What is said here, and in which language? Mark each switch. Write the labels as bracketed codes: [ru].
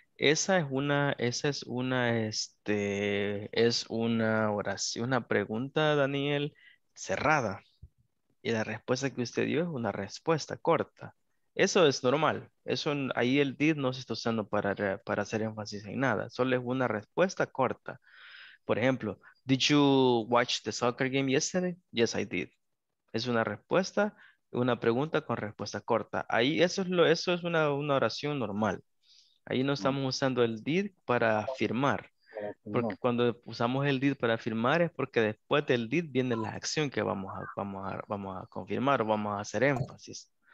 [es] Esa es una oración, una pregunta, Daniel, cerrada. Y la respuesta que usted dio es una respuesta corta. Eso es normal. Eso ahí el did no se está usando para hacer énfasis en nada. Solo es una respuesta corta. Por ejemplo, [en] did you watch the soccer game yesterday? Yes, I did. [es] Es una respuesta, una pregunta con respuesta corta. Ahí eso es una oración normal. Ahí no estamos usando el did para afirmar. Porque cuando usamos el did para afirmar es porque después del did viene la acción que vamos a confirmar o vamos a hacer énfasis.